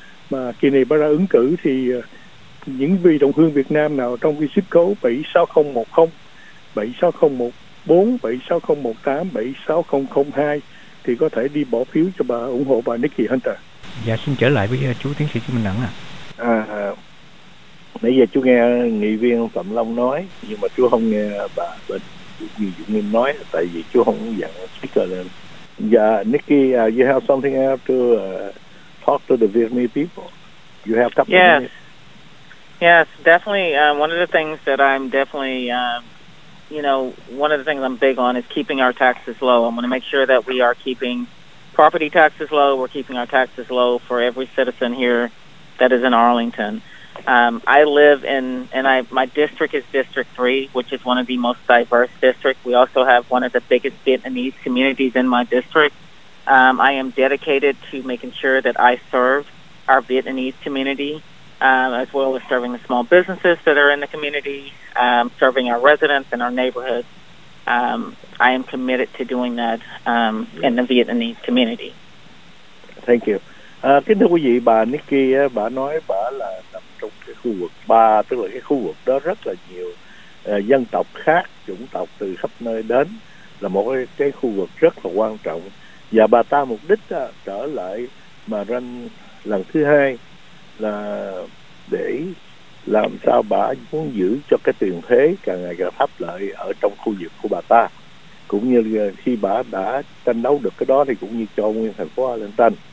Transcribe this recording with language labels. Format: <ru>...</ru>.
<vi>Mà kỳ này bà ra ứng cử thì những vị đồng hương Việt Nam nào trong cái zip code 76010, 76014, 76018, 76002 thì có thể đi bỏ phiếu cho bà, ủng hộ bà Nikki Hunter. Dạ, xin trở lại với chú tiến sĩ Chí Minh Đẳng ạ. Nãy giờ chú nghe nghị viên Phạm Long nói, nhưng mà chú không nghe bà bên Duy Dũng Nghiêm nói, tại vì chú không dặn speaker lên.</vi> <en>Dạ, Nikki, you have something else to talk to the Vietnamese people? You have a couple of minutes? Yes, definitely. One of the things that I'm definitely, one of the things I'm big on is keeping our taxes low. I'm going to make sure that we are keeping property taxes low. We're keeping our taxes low for every citizen here that is in Arlington. I live in, my district is District 3, which is one of the most diverse districts. We also have one of the biggest Vietnamese communities in my district. I am dedicated to making sure that I serve our Vietnamese community, as well as serving the small businesses that are in the community, serving our residents and our neighborhoods. I am committed to doing that in the Vietnamese community. Thank you.</en> <vi>Kính thưa quý vị, bà Nikki, bà nói bà là nằm trong cái khu vực 3, tức là cái khu vực đó rất là nhiều dân tộc khác, chủng tộc từ khắp nơi đến, là một cái khu vực rất là quan trọng. Và bà ta mục đích trở lại mà run lần thứ hai là để làm sao bà muốn giữ cho cái tiền thuế càng ngày càng thấp lại ở trong khu vực của bà ta, cũng như khi bà đã tranh đấu được cái đó thì cũng như cho nguyên thành phố Arlington.</vi>